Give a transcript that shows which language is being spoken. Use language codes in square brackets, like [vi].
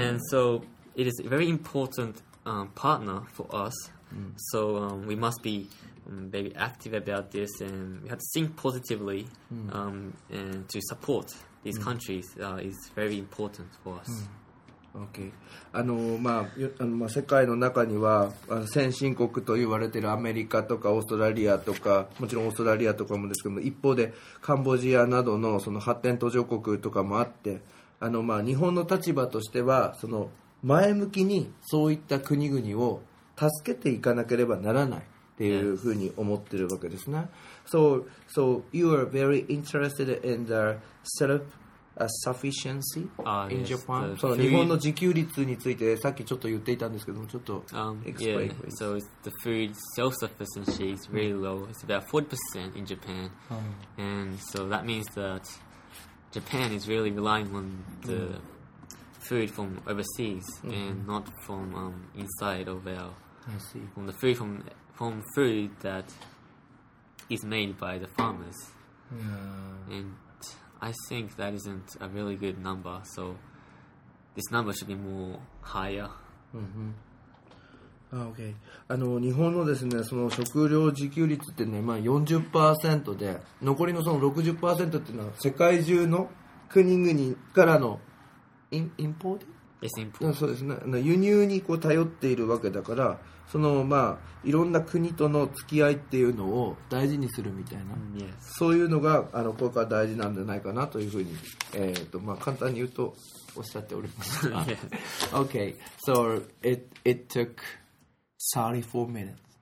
[en] So it is a very important partner for us. So we must be very active about this, and we have to think positively, and to support these countries is very important for us. Okay. [ja] あの、世界の中には先進国と言われているアメリカとかオーストラリアとか、もちろんオーストラリアとかもですけども、一方でカンボジアなど の, その発展途上国とかもあって、日本の立場としてはその前向きにそういった国々を助けていかなければならないっていうふうに思ってるわけですね。 [en] So you are very interested in the self-sufficiency in Japan. [ja] その日本の自給率についてさっきちょっと言っていたんですけども、ちょっと [en] So the food self-sufficiency is really low. It's about 40% in Japan. And so that means that Japan is really relying on the food from overseas and not from inside of our. From the food from food that is made by the farmers. And I think that isn't a really good number, so this number should be more higher. Okay. [ja] あの日本のですね、その食料自給率ってね、40% で、残りのその 60% っていうのは世界中の国々からのインポート。そうですね、輸入にこう頼っているわけだから、その、いろんな国との付き合いっていうのを大事にするみたいな、そういうのがあのこれから大事なんじゃないかなというふうに、簡単に言うとおっしゃっておりますが、 [en] Okay, so it took 34 minutes.